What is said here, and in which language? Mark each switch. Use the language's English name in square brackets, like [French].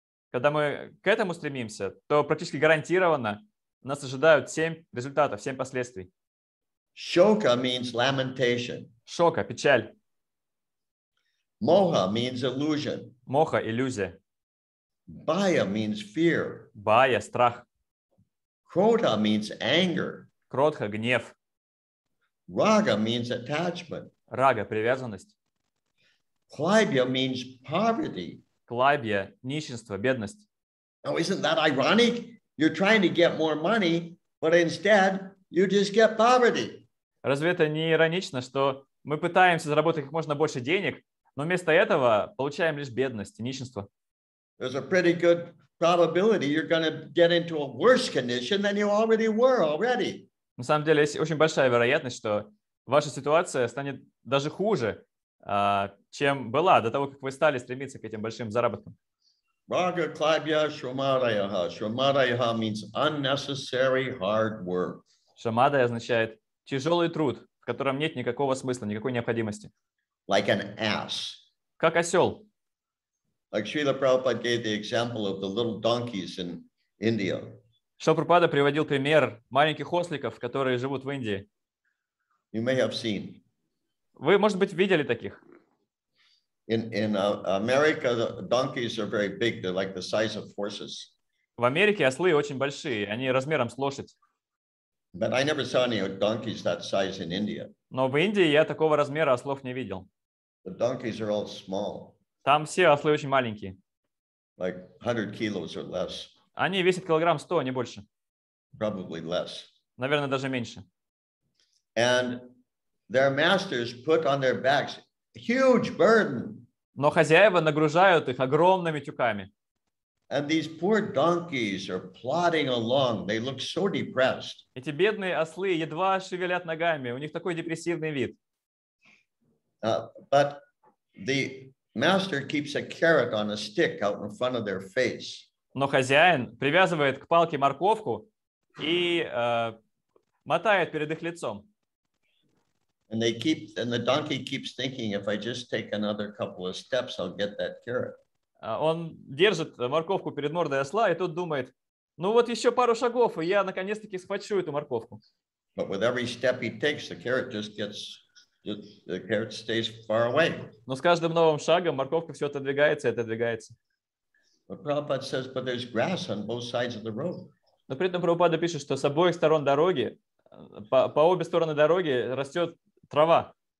[Russian] Когда мы к этому стремимся, то практически гарантированно нас ожидают семь результатов, семь последствий. [English] Шока means lamentation. [Russian] Шока, печаль. [English] Моха means illusion. [Russian] Моха, иллюзия. [English] Бая means fear. [Russian] Бая, страх. [English] Кротха means anger. [Russian] Кротха, гнев. [English] Рага means attachment. [Russian] Рага, привязанность. [English] Клайбья means poverty. [Russian] Клайбья, нищенство, бедность. [English] Now isn't that ironic? You're trying to get more money, but instead you just get poverty. [Russian] Разве это не иронично, что мы пытаемся заработать как можно больше денег, но вместо этого получаем лишь бедность, нищенство? [English] There's a pretty good probability you're going to get into a worse condition than you already were already. [Russian] На самом деле, есть очень большая вероятность, что ваша ситуация станет даже хуже, чем была до того, как вы стали стремиться к этим большим заработкам. [Sanskrit] Рага клайбья шамадайха. [English] Шамадайха means unnecessary hard work. [Russian] Шамадай означает тяжелый труд, в котором нет никакого смысла, никакой необходимости. [English] Like an ass. [Russian] Как осел. [English] Like Srila Prabhupada gave the example of the little donkeys in India. [Russian] Шрила Прабхупада приводил пример маленьких осликов, которые живут в Индии. [English] You may have seen. [Russian] Вы, может быть, видели таких? [English] In America, the donkeys are very big. They're like the size of horses. [Russian] В Америке ослы очень большие. Они размером с лошадь. [English] But I never saw any donkeys that size in India. [Russian] Но в Индии я такого размера ослов не видел. [English] The donkeys are all small. [Russian] Там все ослы очень маленькие. [English] Like 100 kilos or less. [Russian] Они весят килограмм 100, не больше. [English] Probably less. [Russian] Наверное, даже меньше. [English] And their masters put on their backs huge burden. [Russian] Но хозяева нагружают их огромными тюками. [English] And these poor donkeys are plodding along. They look so depressed. [Russian] Эти бедные ослы едва шевелят ногами. У них такой депрессивный вид. [English] But the master keeps a carrot on a stick out in front of their face. [Russian] Но хозяин привязывает к палке морковку и мотает перед их лицом. Он держит морковку перед мордой осла, и тот думает, ну вот еще пару шагов, и я наконец-таки схвачу эту морковку. Но с каждым новым шагом морковка все отодвигается и отодвигается. [English] But Prabhupada says, but there's grass on both sides of the road. [Russian] Но при этом Прабхупада пишет, что с обоих сторон дороги, по обе стороны дороги растет трава.